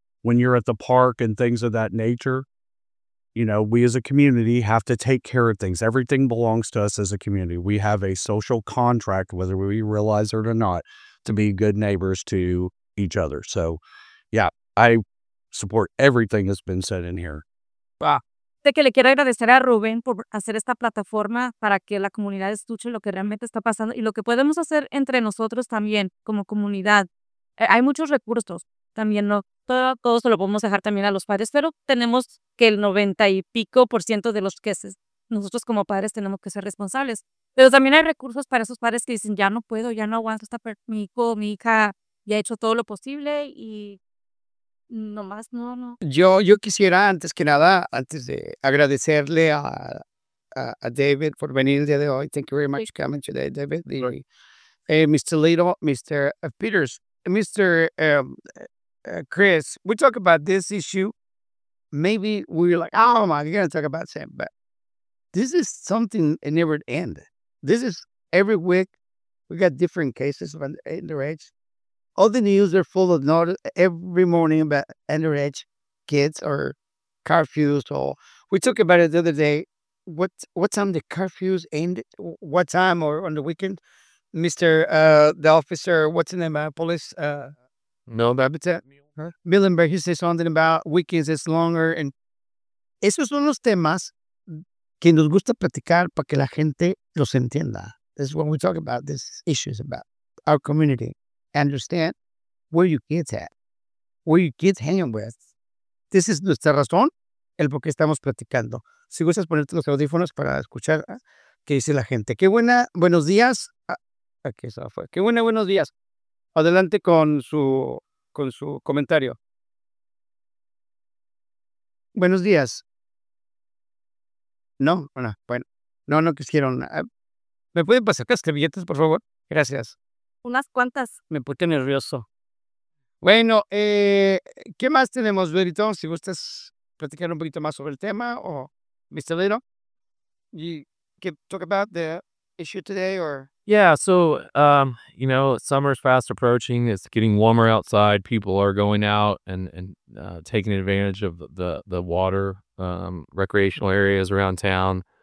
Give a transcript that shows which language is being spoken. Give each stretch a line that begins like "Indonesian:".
English: When you're at the park and things of that nature, you know, we as a community have to take care of things. Everything belongs to us as a community. We have a social contract, whether we realize it or not, to be good neighbors to each other. So, yeah, I support everything that's been said in here. Bah.
Spanish: De que le quiero agradecer a Rubén por hacer esta plataforma para que la comunidad escuche lo que realmente está pasando y lo que podemos hacer entre nosotros también como comunidad. Hay muchos recursos también, ¿no? Todo se lo podemos dejar también a los padres, pero tenemos que el 90% de los que nosotros como padres tenemos que ser responsables. Pero también hay recursos para esos padres que dicen, ya no puedo, ya no aguanto, mi hijo o mi hija ya ha hecho todo lo posible y nomás no. Yo quisiera antes que nada, antes de agradecerle a David por venir el día de hoy.
English: Thank you very much for coming today, David.
Spanish: Y, Mr. Little, Mr. Peters. Mr.
English: Chris, we talk about this issue. Maybe we're like, oh my, you're going to talk about Sam. But this is something that never ends. This is every week. We got different cases of underage. All the news are full of notice every morning about underage kids or curfews. So we talked about it the other day. What time the curfews end? What time or on the weekend? Mr. The officer, what's the name of police? Millenberg, he says something about weekends is longer. And
Spanish: esos son los temas que nos gusta platicar para que la gente los entienda.
English: This is when we talk about these issues about our community. Understand where your kids at, where your kids hanging with. This is
Spanish: nuestra razón, el por qué estamos platicando. Si gustas ponerte los audífonos para escuchar qué dice la gente. Qué buena, buenos días. Aquí se fue. Qué bueno, buenos días. Adelante con su comentario. Buenos días. No quisieron. ¿Me pueden pasar las servilletas, por favor? Gracias. ¿Unas cuantas? Me puse nervioso. Bueno, ¿qué más tenemos, Berito? Si gustas platicar un poquito más sobre el tema o Mr. Lero.
English: You can talk about the issue today or... Yeah, so, you know, summer's fast approaching. It's getting warmer outside. People are going out and taking advantage of the water recreational areas around town.